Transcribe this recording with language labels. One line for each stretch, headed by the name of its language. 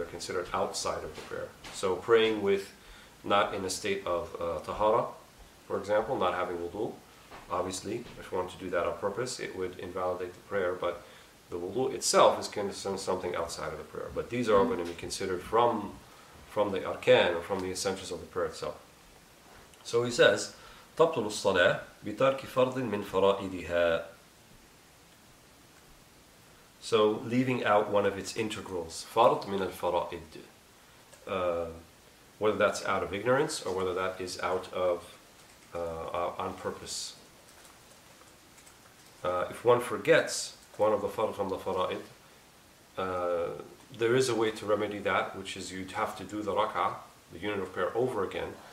English: They're considered outside of the prayer. So praying with not in a state of tahara, for example, not having wudu, obviously, if you want to do that on purpose, it would invalidate the prayer, but the wudu itself is considered something outside of the prayer. But these are all going to be considered from the arkan, or from the essentials of the prayer itself. So he says,
Arabic: تبطل الصلاة بترك فرض من فرائدها.
English: So leaving out one of its integrals,
Arabic: فرض من الفرائد.
English: Whether that's out of ignorance or whether that is out of on purpose. If one forgets one of the فرض from the فرائد, there is a way to remedy that, which is you'd have to do the rak'ah, the unit of prayer, over again.